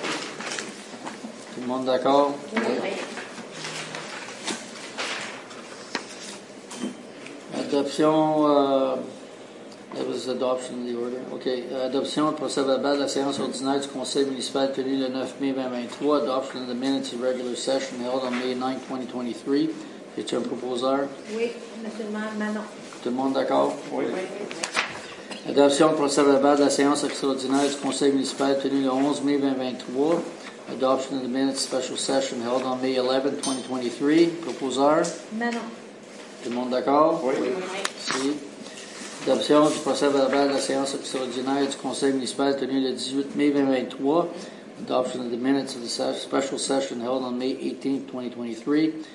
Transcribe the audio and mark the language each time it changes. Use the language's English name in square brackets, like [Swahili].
[French] Tout le monde d'accord? Oui. [English] Adoption, that was adoption of the order. OK. [French] Adoption, procès verbal de la séance ordinaire du conseil municipal tenu le 9 mai 2023. [English] Adoption of the minutes of regular session held on May 9, 2023. [French] Est-ce un proposeur? Oui, Manon. Tout le monde d'accord? Oui. Oui. Adoption, procès verbal de la séance extraordinaire du conseil municipal tenu le 11 mai 2023. [English] Adoption of the minutes special session held on May 11, 2023. [French] Proposeur? Manon. Tout le monde d'accord? Oui. Si. Adoption du procès verbal de la séance extraordinaire du conseil municipal tenu le 18 mai 2023. [English] Adoption of the minutes of the special session held on May 18, 2023.